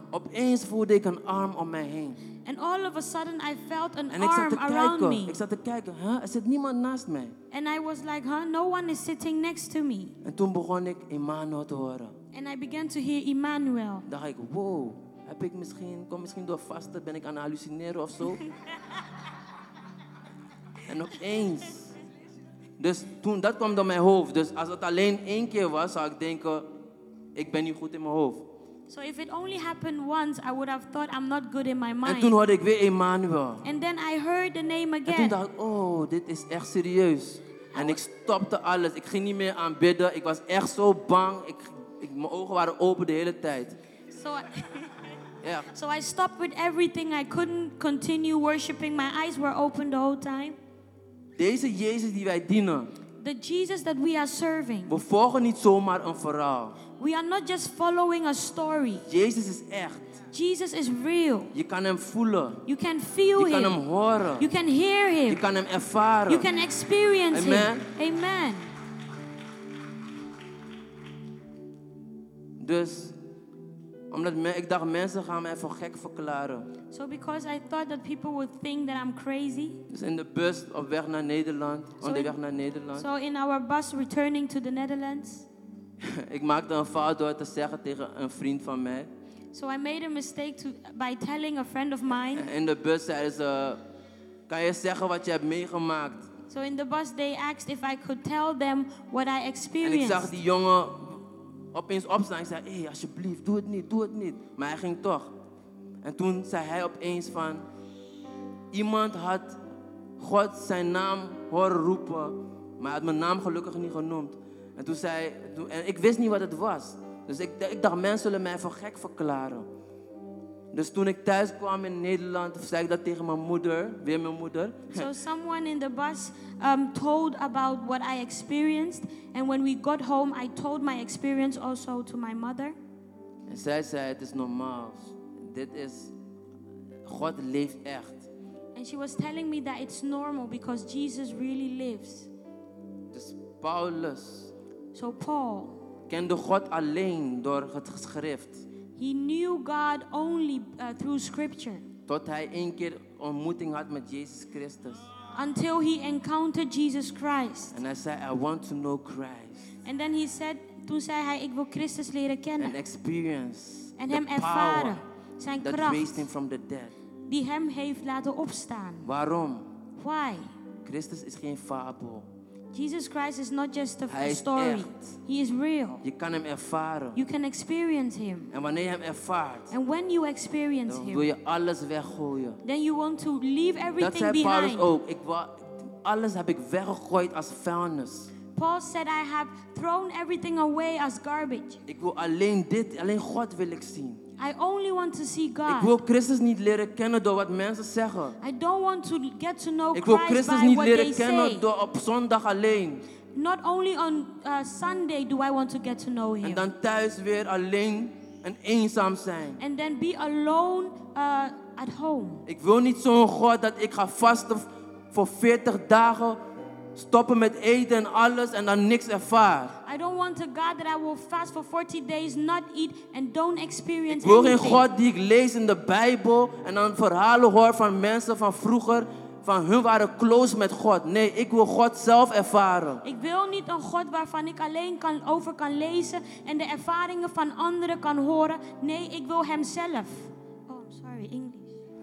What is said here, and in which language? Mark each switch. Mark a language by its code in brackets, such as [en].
[nl] Opeens voelde ik een arm om mij heen. [en] And all of a sudden I felt an arm around me. [nl] Ik zat te kijken, huh? Er zit niemand naast mij. [en] And I was like, huh? No one is sitting next to me. [nl] En toen begon ik Emmanuel te horen. [en] And I began to hear Emmanuel. [nl] Dacht ik, wow, heb ik misschien, kom misschien door vasten, ben ik aan het hallucineren of zo? En opeens. Dus toen, dat kwam door mijn hoofd. Dus als het alleen één keer was, zou ik denken, ik ben niet goed in mijn hoofd. [en] So if it only happened once, I would have thought I'm not good in my mind. [nl] En toen hoorde ik weer Emmanuel. [en] And then I heard the name again. [nl] En toen dacht ik, oh, dit is echt serieus. En ik stopte alles. Ik ging niet meer aanbidden. Ik was echt zo bang. Mijn ogen waren open de hele tijd. [en] So So I stopped with everything. I couldn't continue worshiping. My eyes were open the whole time. [nl] Deze Jezus die wij dienen. [en] The Jesus that we are serving. [nl] We volgen niet zomaar een verhaal. [en] We are not just following a story. [nl] Jezus is echt. [en] Jesus is real. [nl] Je kan hem voelen. [en] You can feel him. [nl] Je kan hem horen. [en] You can hear him. [nl] Je kan hem ervaren. [en] You can experience Amen. Him. Amen. [nl] Dus omdat ik dacht mensen gaan mij voor gek verklaren. [en] So because I thought that people would think that I'm crazy. [nl] Dus in de bus op weg naar Nederland, onderweg naar Nederland. [en] So in our bus returning to the Netherlands. [nl] Ik maakte een fout door te zeggen tegen een vriend van mij. [en] So I made a mistake by telling a friend of mine. [nl] In de bus zeiden ze, kan je zeggen wat je hebt meegemaakt? [en] So in the bus they asked if I could tell them what I experienced. [nl] En ik zag die jongen opeens opstaan. Ik zei, hey, alsjeblieft, doe het niet, doe het niet. Maar hij ging toch. En toen zei hij opeens van, iemand had God zijn naam horen roepen, maar had mijn naam gelukkig niet genoemd. En toen zei en ik wist niet wat het was. Dus ik dacht, mensen zullen mij voor gek verklaren. Dus toen ik thuis kwam in Nederland, zei ik dat tegen mijn moeder, weer mijn moeder. [en] So someone in the bus told about what I experienced. And when we got home, I told my experience also to my mother. [nl] En zij zei, het is normaal. Dit is, God leeft echt. [en] And she was telling me that it's normal because Jesus really lives. [nl] Dus Paulus. [en] So Paul [nl] kende God alleen door het geschrift. [en] He knew God only through scripture. [nl] Tot hij één keer ontmoeting had met Jezus Christus. [en] Until he encountered Jesus Christ. And I said, I want to know Christ. And then he said, [nl] toen zei hij, ik wil Christus leren kennen. [en] And experience. [nl] En hem ervaren zijn kracht. [en] That raised him from the dead. [nl] Die hem heeft laten opstaan. Waarom? [en] Why? [nl] Christus is geen fabel. [en] Jesus Christ is not just a story. [nl] Echt. [en] He is real. [nl] Je kan hem ervaren. [en] You can experience him. [nl] En wanneer je hem ervaart, [en] and when you experience [nl] dan [en] him, [nl] wil je alles weggooien. [en] Then you want to leave everything behind. [nl] Dat zei Paulus ook. Alles heb ik weggegooid als vuilnis. [en] Paul said, I have thrown everything away as garbage. [nl] Ik wil alleen dit, alleen God wil ik zien. [en] I only want to see God. [nl] Ik wil Christus niet leren kennen door wat mensen zeggen. [en] I don't want to get to know Christ by what they say. [nl] Ik wil Christus niet leren kennen door op zondag alleen. [en] Not only on Sunday do I want to get to know him. [nl] En dan thuis weer alleen en eenzaam zijn. [en] And then be alone at home. [nl] Ik wil niet zo'n God dat ik ga vasten voor 40 dagen. Stoppen met eten en alles en dan niks ervaar. [en] I don't want a God that I will fast for 40 days, not eat and don't experience anything. [nl] Ik wil geen God die ik lees in de Bijbel en dan verhalen hoor van mensen van vroeger. Van hun waren close met God. Nee, ik wil God zelf ervaren. Ik wil niet een God waarvan ik alleen over kan lezen en de ervaringen van anderen kan horen. Nee, ik wil hem zelf. [en] Oh, sorry, English.